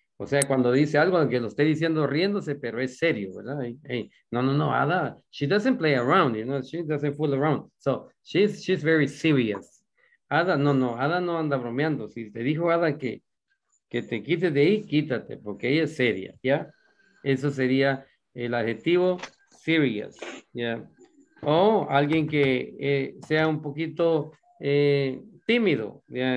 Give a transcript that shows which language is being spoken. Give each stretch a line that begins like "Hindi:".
Spanish: O sea, cuando dice algo, aunque lo esté diciendo riéndose, pero es serio, ¿verdad?
English: Hey, no, Ada, she doesn't play around, you know, she doesn't fool around. So, she's very serious.
Spanish: Ada, no, Ada no anda bromeando. Si te dijo Ada que te quites de ahí, quítate, porque ella es seria, ¿ya? Eso sería el adjetivo serious, ¿ya? O alguien que sea un poquito tímido, ¿ya?